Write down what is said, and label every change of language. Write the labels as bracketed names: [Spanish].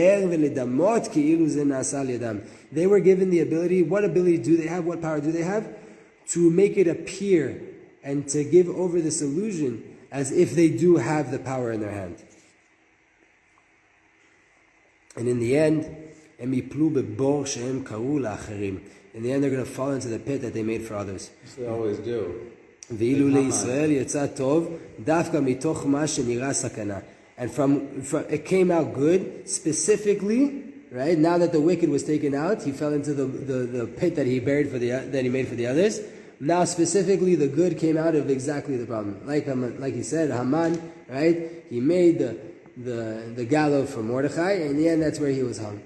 [English] They were given the ability. What ability do they have? What power do they have? To make it appear and to give over this illusion as if they do have the power in their hand. And in the end, [Hebrew] הם יפלו בבור שהם קראו לאחרים. [English] In the end, they're going to fall into the pit that they made for others. Yes, they always do. [Hebrew] ואילו לישראל יצא טוב, דווקא מתוך מה שנראה סכנה. [English] And from it came out good, specifically, right? Now that the wicked was taken out, he fell into the pit that he buried for that he made for the others. Now, specifically, the good came out of exactly the problem. Like he said, Haman, right? He made the gallows for Mordechai, and in the end, that's where he was hung.